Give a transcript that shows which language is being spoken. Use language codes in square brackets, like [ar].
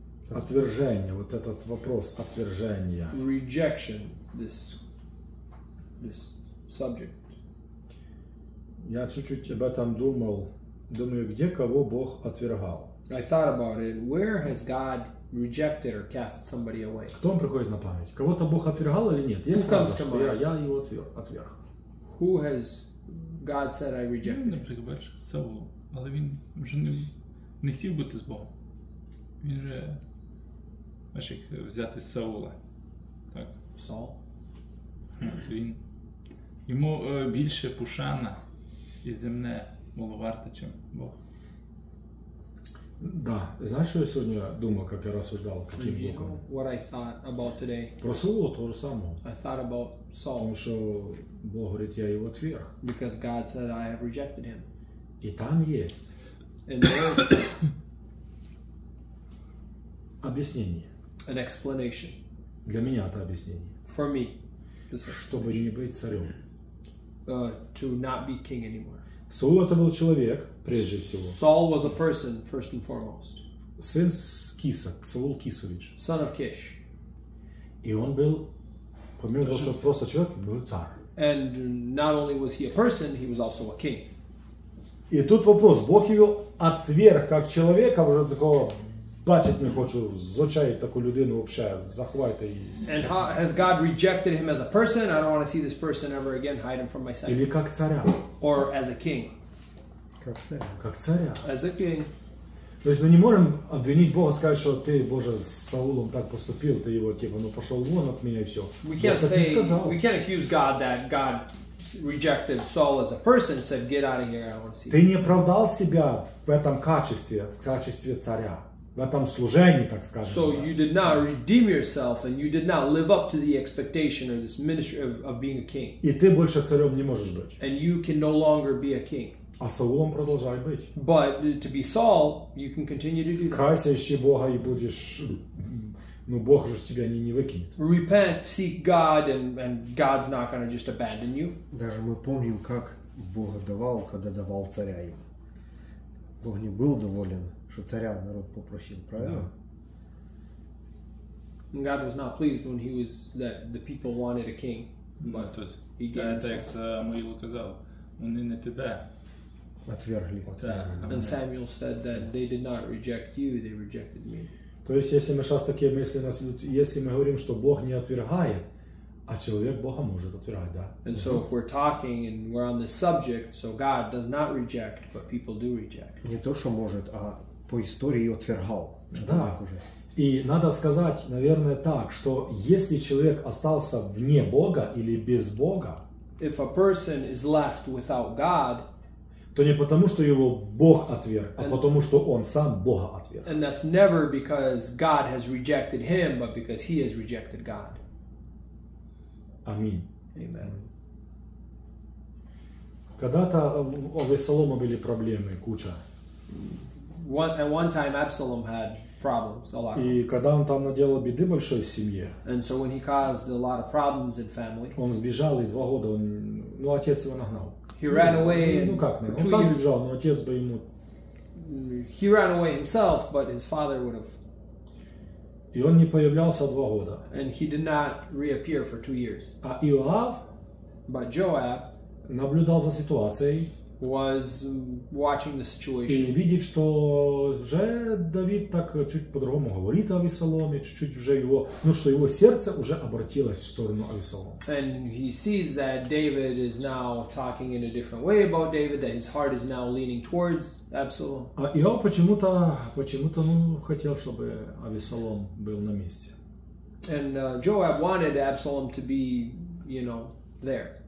[ru] Отвержение, вот этот вопрос, отвержение. [en] Rejection, this subject. [ru] Я чуть-чуть об этом думаю, где кого Бог отвергал. [en] I thought about it, where has God rejected or cast somebody away? [ru] Кто вам приходит на память? Кого-то Бог отвергал или нет? Есть фраза, что я его отверг. [en] Who has God said I rejected? [ru] Ну, например, Саву, [uk] але він вже не хотів бути з Богом. Він же... [ru] Знаешь, как взять Саула, так? Саул? То он... Ему больше пушана и земне маловарта, чем Бог. Да. Знаешь, что я сегодня думал, как я рассуждал, каким Богом? [en] What I thought about today. [ru] Про Саула то же самое. [en] I thought about Saul. [ru] Потому что Бог говорит, я его отверг. [en] Because God said I have rejected him. [ru] И там есть. [en] And there it is. [ru] Объяснение. [en] An explanation. [ru] Для меня это объяснение. [en] For me. [ru] Чтобы не быть царем. [en] To not be king anymore. [ru] Саул это был человек, прежде всего. [en] Saul was a person, first and foremost. [ru] Сын Киса, Саул Кисович. [en] Son of Kish. [ru] И он был, помимо того, что просто человек, был царь. [en] And not only was he a person, he was also a king. [ru] И тут вопрос, Бог его отверг как человека, уже такого... [uk] Бачить не хочу, звучать таку людину взагалі, заховайте її. [en] And has God rejected him as a person? I don't want to see this person ever again, hide him from my sight. [ru] Или как царя. [en] Or as a king. [ru] Как царя. [en] As a king. [uk] Тобто ми не можемо обвинити Бога, сказати, що ти, Боже, з Саулом так поступив, ти його, типу, ну пішов вон від мене і все. [en] We can't say, we can't accuse God that God rejected Saul as a person, said, get out of here, I don't want to see him. [uk] Ти не оправдав себе [ru] в этом качестве, в качестве царя. В этом служении, так скажем. [en] So you did not redeem yourself and you did not live up to the expectation or this ministry of being a king. [ru] И ты больше царем не можешь быть. [en] And you can no longer be a king. [ru] А Саулом продолжай быть. [en] But to be Saul, you can continue to do that. [ru] Кайся, ищи Бога и будешь... Ну, Бог же тебя не выкинет. [en] Repent, seek God, and God's not going to just abandon you. [ru] Даже мы помним, как Бог давал, когда давал царя им. Бог не был доволен. Что царя народ попросил, правильно? [en] Yeah. God was not pleased when he was that the people wanted a king. But no, тут, he gave [ru] да, так Самуил сказал, вони не тебе отвергли. [en] Yeah. And Samuel said that they did not reject you, they rejected me. [ru] То есть, если мы сейчас такие мысли нас идут, если мы говорим, что Бог не отвергает, А человек Бога [uk] може отвергати, [ru] да? [en] And so if we're talking and we're on this subject, so God does not reject, but people do reject. [uk] Не то, що може, а по історії отвергав. [ru] Так уже. И надо сказать, наверное, так, что если человек остался вне Бога или без Бога, [en] if a person is left without God, [ru] то не потому, что его Бог отверг, а потому, что он сам Бога отверг. [en] And that's never because God has rejected him, but because he has rejected God. [ru] Аминь. [en] Amen. [ru] Когда-то у Авесалома были проблемы, куча. [en] At one time, Absalom had problems, a lot. [ru] И когда он там наделал беды большой в семье, [en] and so when he caused a lot of problems in family, [ru] он сбежал, и два года, он, ну, отец его нагнал. [en] He ran away. [ru] Ну, как, ну, он сам сбежал, но отец бы ему... [en] He ran away himself, but his father would have... [ru] И он не появлялся два года. [en] And he did not reappear for 2 years. [ru] А Иоав, [en] but Joab, [ru] наблюдал за ситуацией, [en] was watching the situation. [ru] И видит, что уже Давид так чуть по-другому говорит о Авесаломе, чуть-чуть уже его, ну что его сердце уже обратилось в сторону Авесалома. [en] And he sees that David is now talking in a different way about David, that his heart is now leaning towards Absalom. [ru] А Иоав почему-то ну хотел, чтобы Авесалом был на месте. [en] And Joab wanted Absalom to be, you know, there.